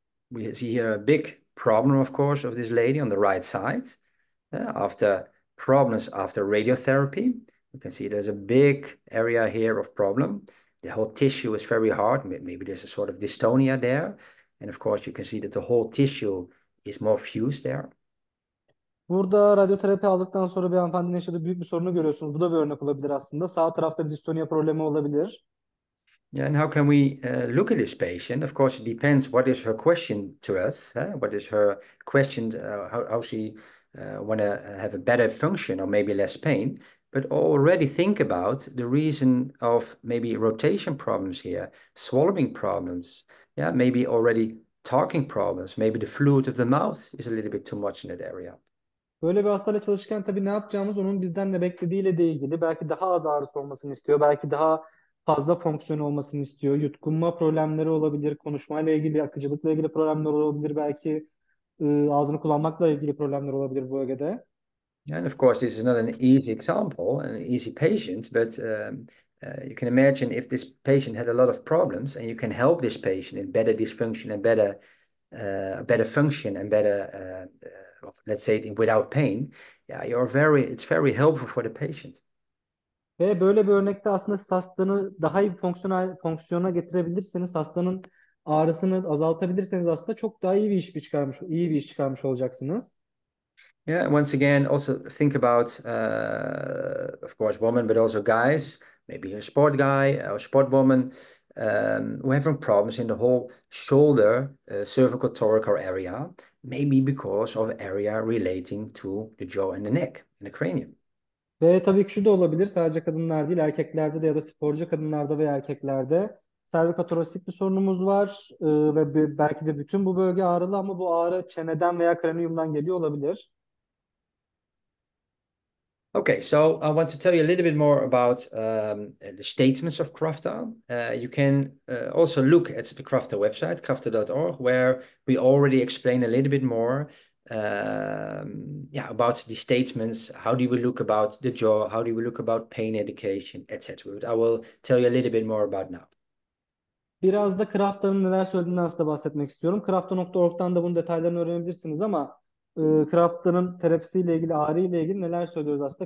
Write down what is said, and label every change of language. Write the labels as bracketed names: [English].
[English] We see here a big problem, of course, of this lady on the right side, after problems after radiotherapy. You can see there's a big area here of problem. The whole tissue is very hard. Maybe there's a sort of dystonia there. And of course, you can see that the whole tissue is more fused there. [Turkish] Burada radyoterapi aldıktan sonra bir hanımefendinin yaşadığı büyük bir sorunu görüyorsunuz. Bu da bir örnek olabilir aslında. Sağ tarafta bir distonya problemi olabilir. [English] Yeah, and how can we look at this patient? Of course, it depends what is her question to us. What is her question? How she want to have a better function or maybe less pain? But already think about the reason of maybe rotation problems here, swallowing problems, yeah, maybe already talking problems, maybe the fluid of the mouth is a little bit too much in that area. [Turkish] Böyle bir hastayla çalışırken tabii ne yapacağımız onun bizden ne beklediğiyle de ilgili. Belki daha az ağrısı olmasını istiyor. Belki daha fazla fonksiyon olmasını istiyor. Yutkunma problemleri olabilir. Konuşmayla ilgili, akıcılıkla ilgili problemler olabilir. Belki ağzını kullanmakla ilgili problemler olabilir bu bölgede. [English] And of course, this is not an easy example, an easy patient, but you can imagine if this patient had a lot of problems and you can help this patient in better dysfunction and better function and better, let's say it without pain, yeah, it's very helpful for the patient. [Turkish] Ve böyle bir örnekte aslında siz hastanı daha iyi fonksiyona getirebilirseniz, hastanın ağrısını azaltabilirseniz aslında çok daha iyi bir iş çıkarmış olacaksınız. [English] Yeah, once again, also think about, of course, women, but also guys, maybe a sport guy or a sport woman, who have problems in the whole shoulder, cervical thoracic area, maybe because of area relating to the jaw and the neck and the cranium. [Turkish] Ve tabii ki şu da olabilir, sadece kadınlar değil erkeklerde de ya da sporcu kadınlarda ve erkeklerde servikatorasit bir sorunumuz var ve belki de bütün bu bölge ağrılı ama bu ağrı çeneden veya kraniyumdan geliyor olabilir. [English] Okay, so I want to tell you a little bit more about the statements of Krafta. You can also look at the Krafta website, krafta.org, where we already explain a little bit more about the statements. How do we look about the jaw? How do we look about pain education, etc. But I will tell you a little bit more about now. [Turkish] Biraz da Krafta'nın neler söylediğinden aslında bahsetmek istiyorum. Krafta.org'dan da bunun detaylarını öğrenebilirsiniz ama Krafta'nın terapisiyle ilgili, ağrı ile ilgili neler söylüyoruz aslında.